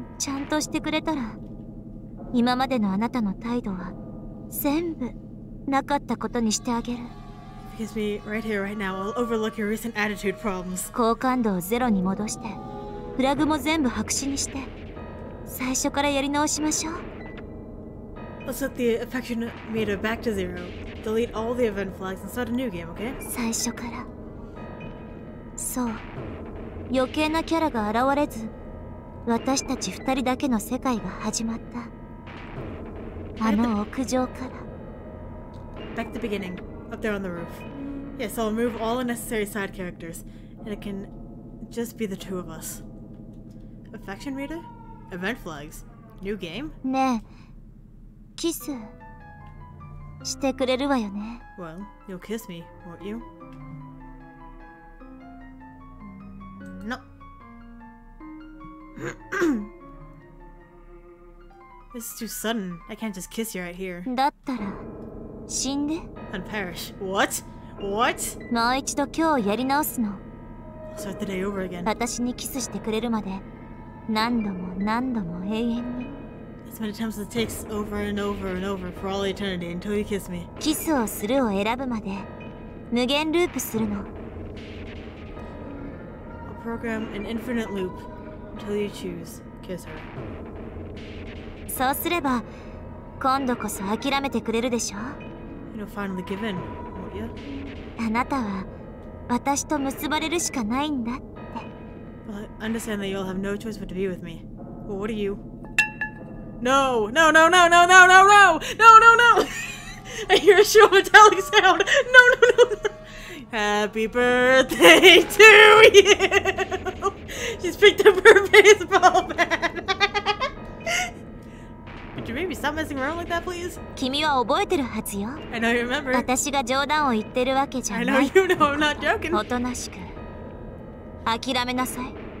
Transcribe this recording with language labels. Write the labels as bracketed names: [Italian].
[Japanese] ちゃんとしてくれたら、今までのあなたの態度は全部なかったことにしてあげる。 [English] Kiss me right here, right now. I'll overlook your recent attitude problems. [Japanese] 好感度をゼロに戻して、フラグも全部白紙にして、最初からやり直しましょう。 [English] Let's set the affection meter back to zero. Delete all the event flags and start a new game, okay? [Japanese] 最初から。そう。余計なキャラが現れず、私たち二人だけの世界が始まった。あの屋上から。 [English] Back to the beginning, up there on the roof. Yes, I'll move all the necessary side characters, and it can just be the two of us. Affection meter? Event flags? New game? [Japanese] ねえ。キスしてくれるわよね。 [English] Well, you'll kiss me, won't you? No. This is too sudden. I can't just kiss you right here. [Japanese] だったら死んで。 [English] And perish. What? What? [Japanese] もう一度今日やり直すの。 [English] I'll start the day over again. [Japanese] 私にキスしてくれるまで何度も何度も永遠に。 [English] How many times it takes over and over and over for all eternity until you kiss me? [Japanese] Kiss をするを選ぶまで無限ループするの。 [English] I'll program an infinite loop until you choose kiss her. [Japanese] そうすれば今度こそ諦めてくれるでしょ。 [English] You'll finally give in, won't you? [Japanese] あなたは私と結ばれるしかないんだって。 [English] Well, I understand that you'll have no choice but to be with me. But what are you? No, no, no, no, no, no, no, no, no, no, no, I hear a shrill metallic sound. No, no, no, no. Happy birthday to you. She's picked up her baseball bat. Could you maybe stop messing around like that, please? [Japanese] 君は覚えてるはずよ。 [English] I know you remember. [Japanese] 私が冗談を言ってるわけじゃない。 [English] I know you know I'm not joking. [Japanese] おとなしく、諦めなさい。